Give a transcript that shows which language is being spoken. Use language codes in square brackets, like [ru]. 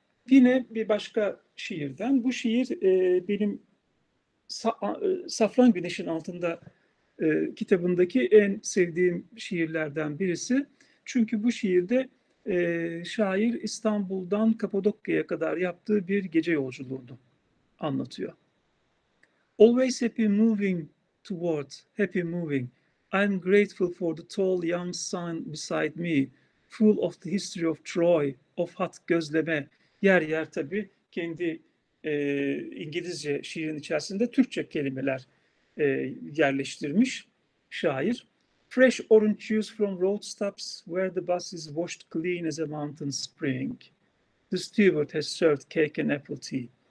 [tr] Yine bir başka şiirden. Bu şiir benim Safran Güneş'in Altında kitabındaki en sevdiğim şiirlerden birisi. Çünkü bu şiirde şair İstanbul'dan Kapadokya'ya kadar yaptığı bir gece yolculuğunu anlatıyor. [en] Always happy moving toward, happy moving. I'm grateful for the tall young sun beside me, full of the history of Troy, of hat gözleme. [tr] Yer yer tabii kendi İngilizce şiirin içerisinde Türkçe kelimeler yerleştirmiş şair. [en] Fresh orange juice from road stops where the bus is washed clean as a mountain spring. The steward has served cake and apple tea.